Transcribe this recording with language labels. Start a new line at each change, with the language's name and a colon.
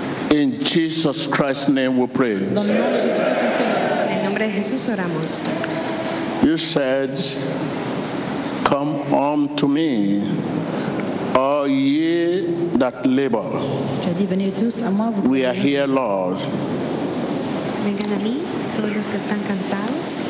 English: In Jesus Christ's name we pray.
French: Dans le nom de Jésus-Christ, nous prions.
Spanish: En el nombre de Jesús oramos.
English: You said, come unto me, all ye that labor. We are here, Lord.
Spanish: Vengan a mí, todos los que están cansados.